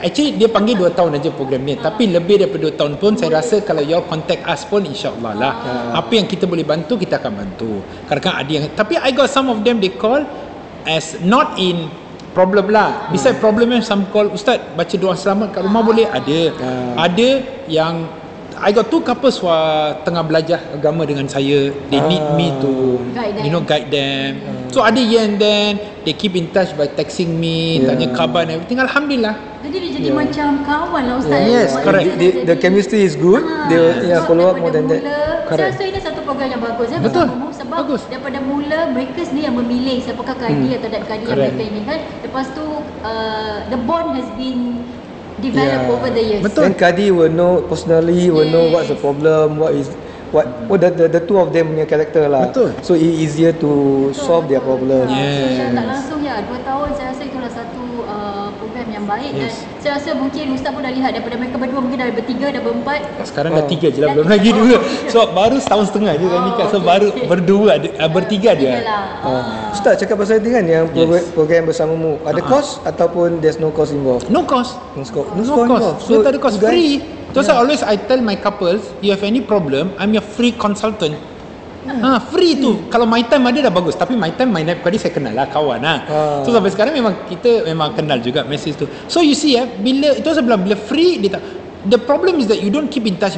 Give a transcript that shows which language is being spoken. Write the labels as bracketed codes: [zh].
[ms] Actually, dia panggil 2 tahun aja program ni. Tapi lebih daripada 2 tahun pun, saya rasa kalau y'all contact us pun, insyaAllah lah. Apa yang kita boleh bantu, kita akan bantu. Kadang-kadang ada yang, tapi [en] I got some of them, they call as not in problem lah. [ms] Besides problem yang some call, Ustaz, baca doa selamat kat rumah boleh? Ada. Ada yang, [en] I got two couples who are [ms] tengah belajar agama dengan saya. [en] They need me to, you know, guide them. So ada here and then, they keep in touch by texting me, [ms] tanya khabar [en] and everything. [ms] Alhamdulillah. Jadi dia jadi macam kawan lah, Ustaz. [en] Yes, correct. The chemistry is good. They follow up more than that. Correct. [ms] Saya rasa ini satu program yang bagus. Ya? Betul. Sebab bagus. Daripada mula, mereka sendiri yang memilih siapakah kadi atau tidak kadi yang mereka inginkan. Lepas tu, [en] the bond has been developed over the years. [ms] Betul. Dan kadi [en] will know personally, will know what's the problem, the two of them punya character lah. [ms] Betul. [en] So it easier to solve their problem. Yes. So, [ms] tak langsung ya, 2 tahun saya rasa itulah satu program yang baik. Yes. Dan saya rasa mungkin Ustaz pun dah lihat daripada mereka berdua, mungkin dah bertiga, dah berempat. Sekarang dah tiga je lah, belum lagi dua. So baru setahun setengah je dah nikah. So baru berdua, bertiga dia. Ustaz cakap pasal itu kan, yang program bersamamu. Ada cost ataupun [en] there's no cost involved? No cost. No cost. [ms] So tak ada cost, free. [en] So I always I tell my couples, you have any problem, I'm your free consultant. [ms] Free tu. Kalau my time ada dah bagus, tapi my time my Naib Kadi saya kenal lah, kawan lah. So sampai sekarang memang kita memang kenal juga message tu. [en] So you see [ms] bila itu saya bilang, bila free dia tak, [en] the problem is that you don't keep in touch.